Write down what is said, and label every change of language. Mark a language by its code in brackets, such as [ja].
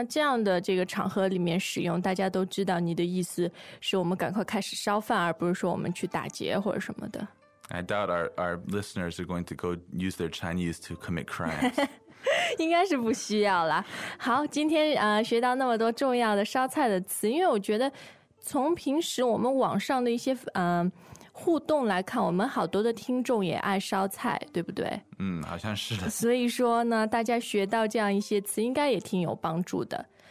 [zh] 是吗？对，我们人家是这个人动手。我不太做坏事。但是就跟大家分享一下，也可以有这种做坏事的意思，就是什么去动手，基本上就是说你要去打劫啊，你要去什么，也有这样的一种含义在里面。但是呢，放在像这样的这个场合里面使用，大家都知道你的意思是我们赶快开始烧饭，而不是说我们去打劫或者什么的。 [en] I doubt our listeners are going to go use their Chinese to commit crimes. [zh] 应该是不需要啦。好，今天学到那么多重要的烧菜的词，因为我觉得从平时我们网上的一些互动来看，我们好多的听众也爱烧菜，对不对？嗯，好像是的。所以说呢，大家学到这样一些词，应该也挺有帮助的。